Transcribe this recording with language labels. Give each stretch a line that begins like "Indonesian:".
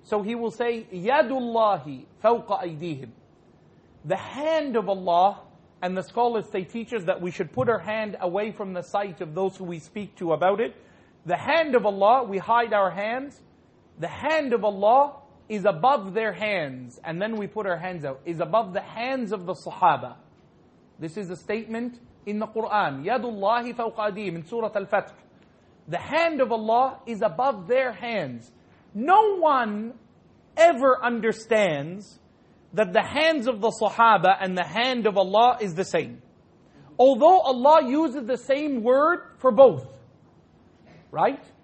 English: So He will say,
Arabic: يَدُ اللَّهِ فَوْقَ أَيْدِيهِمْ
English: The hand of Allah, and the scholars, they teach us that we should put our hand away from the sight of those who we speak to about it. The hand of Allah, we hide our hands. The hand of Allah is above their hands. And then we put our hands out. Is above the hands of the Sahaba. This is a statement in the Qur'an.
Arabic: يَدُ اللَّهِ فَوْقَ أَيْدِيهِمْ
English: In Surah Al-Fatih. The hand of Allah is above their hands. No one ever understands that the hands of the Sahaba and the hand of Allah is the same. Although Allah uses the same word for both. Right?